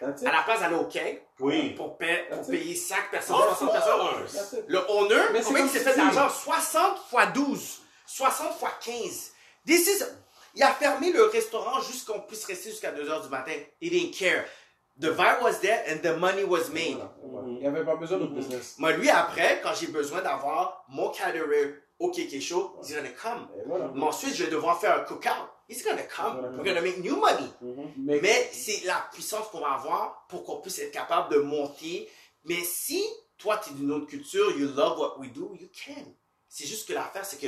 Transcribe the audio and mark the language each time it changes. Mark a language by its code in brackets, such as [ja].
[fr] À la place, aller au Keg pour payer 5 personnes, 60 personnes. Le owner, combien il s'est fait d'argent? 60 x 12, 60 x 15. [en] This is. [fr] Il a fermé le restaurant juste qu'on puisse rester jusqu'à 2h du matin. [en] He didn't care. The vibe was there and the money was made. [fr] Il n'y avait pas besoin de business. Mais lui, après, quand j'ai besoin d'avoir mon caterer au Kéké Show, [en] he's going to come. [fr] Mais ensuite, je vais devoir faire un cookout. [en] He's going to come. We're going to make new money. [fr] Mais c'est la puissance qu'on va avoir pour qu'on puisse être capable de monter. Mais si toi, tu es d'une autre culture, [en] you love what we do, you can. [fr] C'est juste que l'affaire, c'est que...